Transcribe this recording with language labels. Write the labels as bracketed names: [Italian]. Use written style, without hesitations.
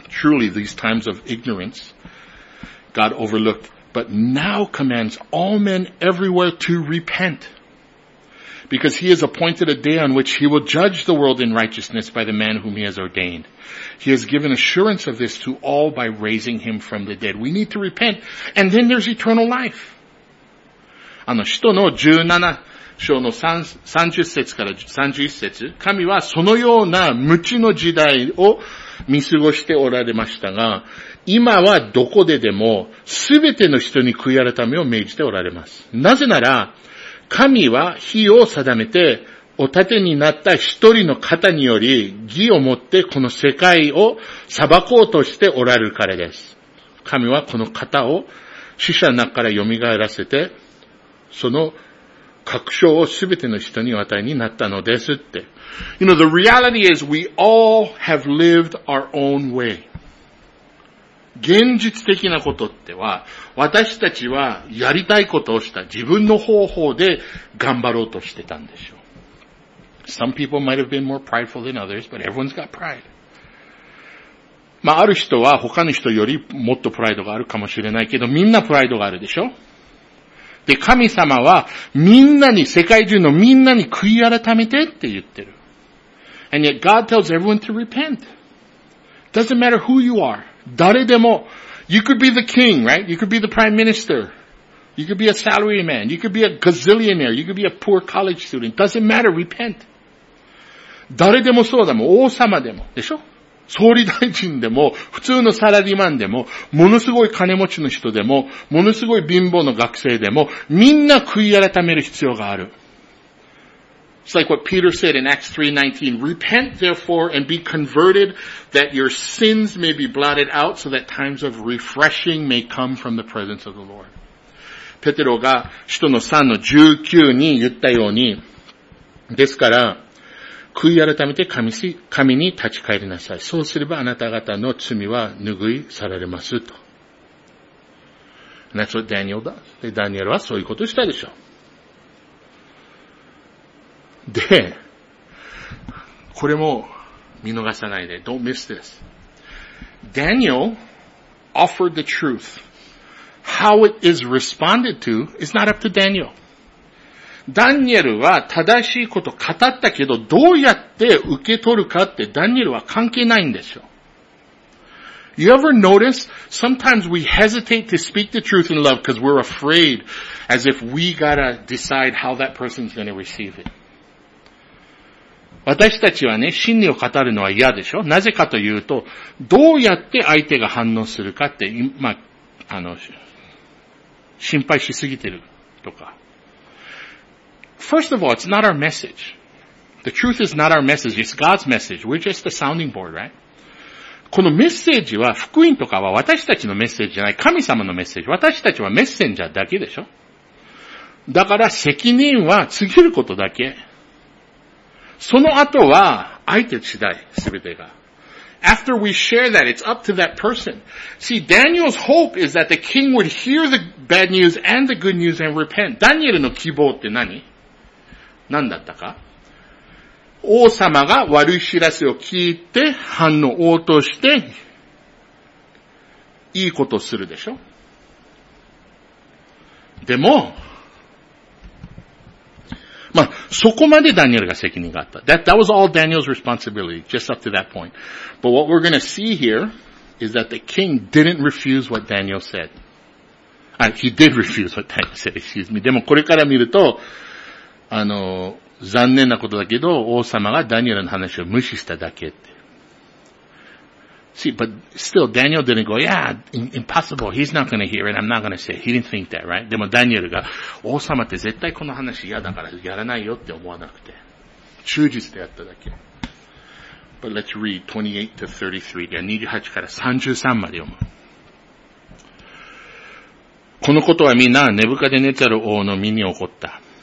[English] Truly, these times of ignorance God overlooked, but now commands all men everywhere to repent. Because he has appointed a day on which he will judge the world in righteousness by the man whom he has ordained. He has given assurance of this to all by raising him from the dead. We need to repent. And then there's eternal life. [Japanese] 人の17章の30節から31節、神はそのような無知の時代を見過ごしておられましたが、今はどこででも全ての人に悔い改めを命じておられます。なぜなら、神は日を定めてお盾になった一人の方により義をもってこの世界を裁こうとしておられるからです。神はこの方を死者の中から蘇らせてその確証をすべての人に与えになったのですって。 [English] You know, the reality is we all have lived our own way. [Japanese] 現実的なことっては、私たちはやりたいことをした自分の方法で頑張ろうとしてたんでしょう。 [English] Some people might have been more prideful than others, but everyone's got pride. [Japanese] まあ、ある人は他の人よりもっとプライドがあるかもしれないけど、みんなプライドがあるでしょ? で、神様はみんなに、世界中のみんなに悔い改めてって言ってる。 [English] And yet God tells everyone to repent. Doesn't matter who you are. [Japanese] 誰でも、 [English] you could be the king, right? You could be the prime minister. You could be a salary man. You could be a gazillionaire. You could be a poor college student. Doesn't matter, repent. [Japanese] 誰でもそうだもん。王様でも。でしょ? 総理大臣でも、普通のサラリーマンでも、ものすごい金持ちの人でも、ものすごい貧乏の学生でも、みんな悔い改める必要がある。 [English] It's like what Peter said in Acts 3:19, repent therefore and be converted that your sins may be blotted out so that times of refreshing may come from the presence of the Lord. [Japanese] ペテロが使徒の3の19に言ったように、ですから、悔い改めて神に立ち返りなさい。そうすればあなた方の罪は拭い去られますと。 [English] And that's what Daniel does. [Japanese] で、ダニエルはそういうことをしたでしょう。で、これも見逃さないで。 [English] Don't miss this. Daniel offered the truth. How it is responded to is not up to Daniel. [Japanese] ダニエルは正しいこと語ったけど、どうやって受け取るかってダニエルは関係ないんですよ。 [English] You ever notice sometimes we hesitate to speak the truth in love because we're afraid as if we gotta decide how that person's gonna receive it. [Japanese] 私たちはね、真理を語るのは嫌でしょ?なぜかというと、どうやって相手が反応するかって、今、まあ、心配しすぎてるとか。 [English] First of all, it's not our message. The truth is not our message, it's God's message. We're just the sounding board, right? [Japanese] このメッセージは、福音とかは私たちのメッセージじゃない、神様のメッセージ。私たちはメッセンジャーだけでしょ?だから責任は告げることだけ。その後は相手次第、すべてが。 [English] After we share that, it's up to that person. See, Daniel's hope is that the king would hear the bad news and the good news and repent. [Japanese] ダニエルの希望って何?何だったか? 王様が悪い知らせを聞いて反応応答して、いいことをするでしょ? でも、まあ、そこまでダニエルが責任があった。 [English] That was all Daniel's responsibility, just up to that point. But what we're going to see here is that the king didn't refuse what Daniel said. He did refuse what Daniel said, excuse me. [Japanese] でもこれから見ると、残念なことだけど、王様がダニエルの話を無視しただけって。 [English] See, but still, Daniel didn't go, yeah, impossible, he's not gonna hear it, I'm not gonna say it. He didn't think that, right? [Japanese] でもダニエルが、王様って絶対この話嫌だからやらないよって思わなくて。忠実でやっただけ。 [English] But let's read 28-33. [Japanese] 28から33まで読む。このことはみんな、ネブカデネザル王の身に起こった。